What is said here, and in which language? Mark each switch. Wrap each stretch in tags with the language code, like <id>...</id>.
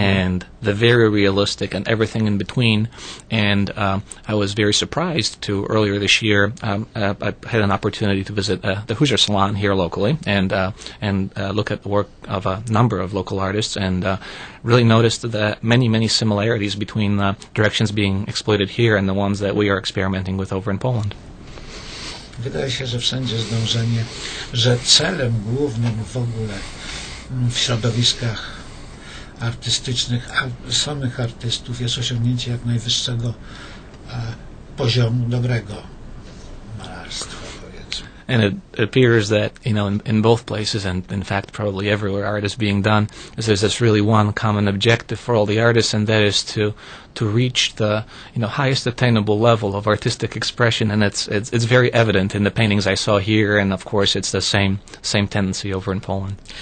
<en>and the very realistic and everything in between. And I was very surprised to, earlier this year, I had an opportunity to visit the Hoosier Salon here locally and look at the work of a number of local artists and really noticed the many, many similarities between the directions being exploited here and the ones that we are experimenting with over in Poland.</en> <pl>Wydaje się, że wszędzie zdążenie, że celem głównym w ogóle w środowiskach artystycznych samych artystów jest osiągnięcie jak najwyższego poziomu dobrego malarstwa, powiedzmy.</pl> <en>And it appears that, you know, in both places, and in fact probably everywhere art is being done, is there's this really one common objective for all the artists, and that is to reach the, you know, highest attainable level of artistic expression. And it's very evident in the paintings I saw here, and of course it's the same tendency over in Poland.</en>